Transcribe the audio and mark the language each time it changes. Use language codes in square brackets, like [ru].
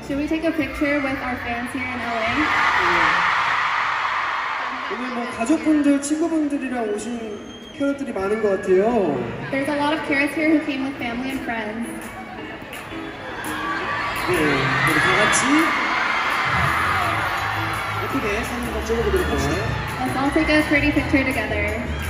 [en] Should we take a picture with our fans here in LA? [ko] 오늘 뭐 가족분들, 친구분들이랑 오신 캐럿들이 많은 것 같아요. [en] There's a lot of carrots here who came with family and friends. [ko] 네, 우리 다 같이 예쁘게 사진 한번 찍어보도록 할까요? [en] Let's all take a pretty picture together.